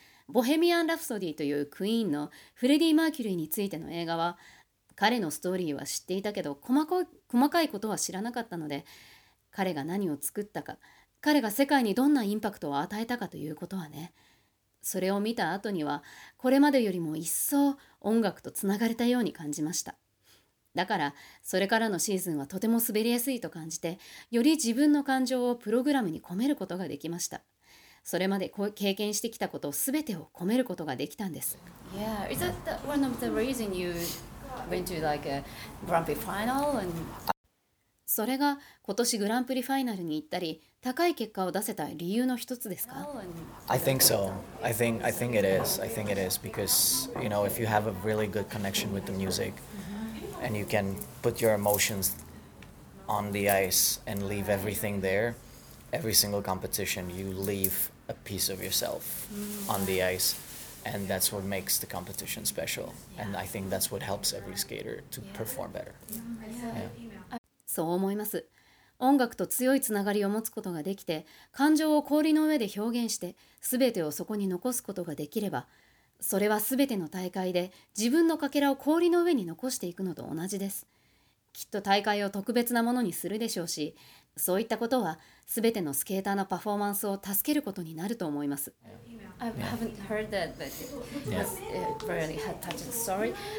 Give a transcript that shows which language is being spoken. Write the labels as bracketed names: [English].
[Japanese] ボヘミアン・ラプソディというクイーンのフレディ・マーキュリーについての映画は、彼のストーリーは知っていたけど細かいことは知らなかったので、彼が何を作ったか、彼が世界にどんなインパクトを与えたかということはね、それを見た後にはこれまでよりも一層音楽とつながれたように感じました。だからそれからのシーズンはとても滑りやすいと感じて、より自分の感情をプログラムに込めることができました。それまで経験してきたことすべてを込めることができたんです。 [English] Yeah, is that the, one of the reason you went to like a Grand Prix final? And... [Japanese] それが今年グランプリファイナルに行ったり、高い結果を出せた理由の一つですか？ [English] I think so. I think it is. I think it is because, you know, if you have a really good connection with the music and you can put your emotions on the ice and leave everything there,Every single competition, you leave a piece of yourself on the ice, and that's what makes the competition special. Yeah. And I think that's what helps every skater to perform better. [Japanese] そう思います。音楽と強いつながりを持つことができて、感情を氷の上で表現して、すべてをそこに残すことができれば、それはすべての大会で自分のかけらを氷の上に残していくのと同じです。きっと大会を特別なものにするでしょうし、そういったことは全てのスケーターのパフォーマンスを助けることになると思います。 [English] I haven't heard that, but it's really had touched the story.